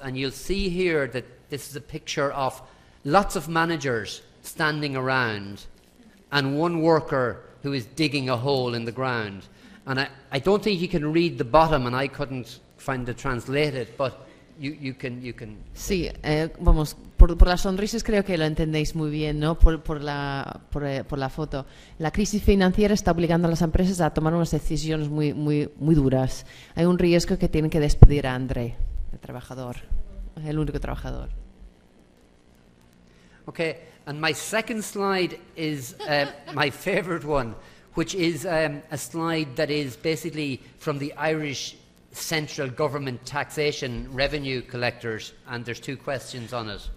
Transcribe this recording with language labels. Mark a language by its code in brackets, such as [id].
[en] And you'll see here that this is a picture of lots of managers standing around and one worker who is digging a hole in the ground. And I don't think you can read the bottom, and I couldn't find the translated, but you can... [es] Sí, vamos, por las sonrisas creo que lo entendéis muy bien, ¿no? Por la foto. La crisis financiera está obligando a las empresas a tomar unas decisiones muy, muy, muy duras. Hay un riesgo que tienen que despedir a André, el trabajador, el único trabajador. [en] Okay. And my second slide is my favourite one, which is a slide that is basically from the Irish central government taxation revenue collectors, and there's two questions on it.